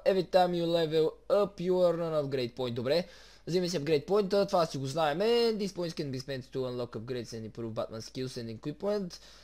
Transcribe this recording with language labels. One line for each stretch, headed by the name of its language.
English: Every time you level up, you earn an upgrade point.
Bulgarian: Добре, взимай си upgrade point, това си го знаем.
English: These points can be spent to unlock upgrades and improve Batman skills and equipment.